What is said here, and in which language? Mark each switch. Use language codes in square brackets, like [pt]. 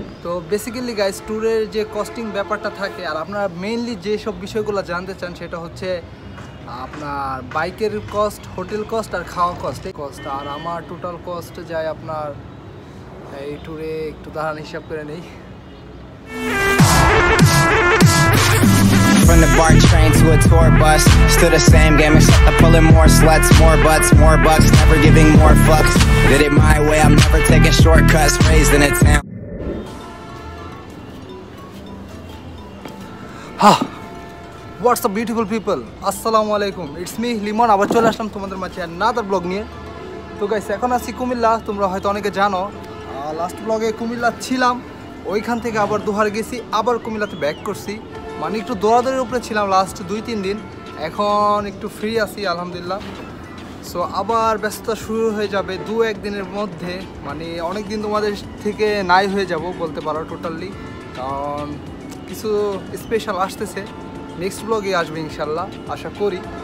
[bn] তো basically guys ট্যুরের যে কস্টিং ব্যাপারটা থাকে আর আপনারা মেইনলি যে সব বিষয়গুলো জানতে চান সেটা হচ্ছে আপনার বাইকের কস্ট, হোটেল কস্ট আর খাওয়া কস্ট কস্ট। আর আমার টোটাল কস্ট যায় আপনার এই ট্যুরে একটু দাঁড়ান হিসাব করে নেই। [en] From the BART train to a tour bus, still the same game except I'm pulling more sluts, more butts, more bucks, never giving more fucks. Did it my way, I'm never taking shortcuts. Raised in a town. Ha! What's up, beautiful people? Assalamualaikum. It's me, Limon. I'm going to show you another vlog. So guys, I'm going to see Kumilla. You're going to know what to do. Last vlog is Kumilla. [bn] Chilam. ওই খান থেকে আবার দুহার গেছি, আবার কুমিল্লাতে back করছি। মানে একটু দৌড়াদৌড়ির উপরে ছিলাম লাস্ট দুই তিন দিন, এখন একটু ফ্রি আছি আলহামদুলিল্লাহ। সো আবার ব্যস্ততা শুরু হয়ে যাবে দু একদিনের মধ্যে, মানে অনেক দিন তোমাদের থেকে নাই হয়ে যাব বলতে পারো টোটালি, কারণ কিছু স্পেশাল আসতেছে, নেক্সট ব্লগে আসবে ইনশাল্লাহ আশা করি।